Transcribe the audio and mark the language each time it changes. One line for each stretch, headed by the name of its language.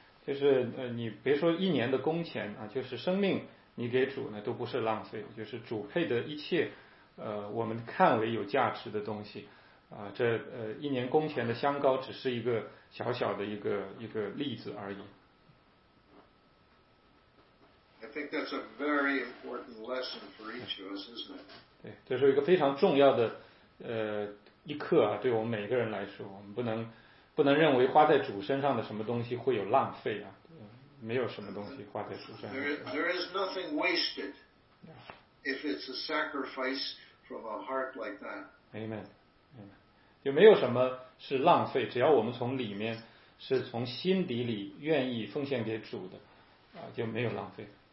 Chinese: 就是你别说一年的工钱啊，就是生命你给主呢都不是浪费，就是主配的一切我们看为有价值的东西啊，这一年工钱的香膏只是一个小小的一个例子而已。
English: I think that's a very important lesson for each of us, isn't it?
Chinese: 对，这是一个非常重要的一课啊，对我们每个人来说，我们不能认为花在主身上的什么东西会有浪费啊，没有什么东西花在主身上。
English: There is nothing wasted if it's a sacrifice from a heart like that. Amen. Amen.
Chinese: 就没有什么是浪费，只要我们从里面是从心底里愿意奉献给主的，就没有浪费。